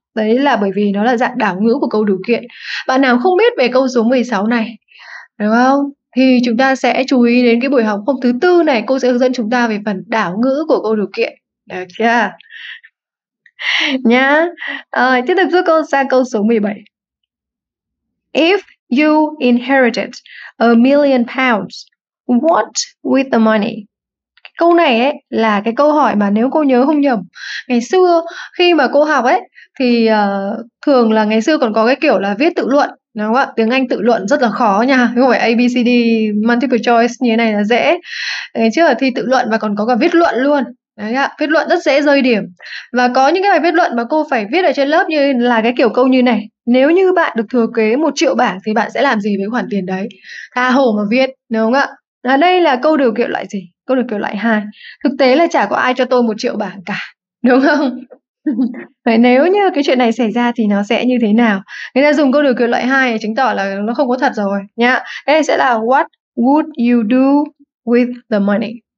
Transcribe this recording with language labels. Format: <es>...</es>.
<vi>Đấy là bởi vì nó là dạng đảo ngữ của câu đủ kiện. Bạn nào không biết về câu số 16 này, đúng không? Thì chúng ta sẽ chú ý đến cái buổi học hôm thứ tư này, cô sẽ hướng dẫn chúng ta về phần đảo ngữ của câu đủ kiện. Được chưa? Nhá. Rồi, tiếp tục giúp cô sang câu số 17.</vi> <en>If you inherited a million pounds, what with the money?</en> <vi>Câu này ấy là cái câu hỏi mà nếu cô nhớ không nhầm, ngày xưa khi mà cô học ấy thì thường là ngày xưa còn có cái kiểu là viết tự luận, đúng không ạ? Tiếng Anh tự luận rất là khó nha, không phải ABCD multiple choice như thế này là dễ. Ngày trước là thi tự luận và còn có cả viết luận luôn. Đấy ạ, viết luận rất dễ rơi điểm. Và có những cái bài viết luận mà cô phải viết ở trên lớp như là cái kiểu câu như này: nếu như bạn được thừa kế 1 triệu bảng thì bạn sẽ làm gì với khoản tiền đấy? Tha hồ mà viết, đúng không ạ? À, đây là câu điều kiện loại gì? Câu điều kiện loại 2. Thực tế là chả có ai cho tôi 1 triệu bảng cả, đúng không? Vậy nếu như cái chuyện này xảy ra thì nó sẽ như thế nào? Người ta dùng câu điều kiện loại 2 để chứng tỏ là nó không có thật rồi nhá. Đây sẽ là</vi> <en>what would you do with the money?</en>